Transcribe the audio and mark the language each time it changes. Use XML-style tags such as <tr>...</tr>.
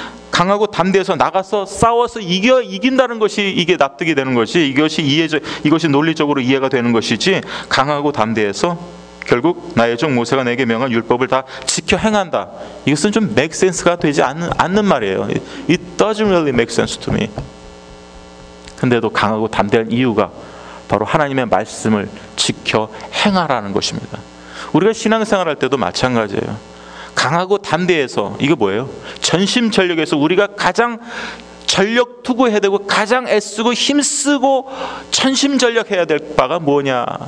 <ko>강하고 담대해서 나가서 싸워서 이긴다는 것이 이게 납득이 되는 것이 이것이 논리적으로 이해가 되는 것이지 강하고 담대해서 결국 나의 종 모세가 내게 명한 율법을 다 지켜 행한다. 이것은 좀</ko> <en>make sense</en> <ko>가 되지 않는 말이에요.</ko> <en>It doesn't really make sense to me.</en> <ko>근데도 강하고 담대한 이유가 바로 하나님의 말씀을 지켜 행하라는 것입니다. 우리가 신앙생활할 때도 마찬가지예요. 강하고 담대해서 이거 뭐예요? 전심전력에서 우리가 가장 전력 투구해야 되고 가장 애쓰고 힘쓰고 전심전력해야 될 바가 뭐냐?</ko>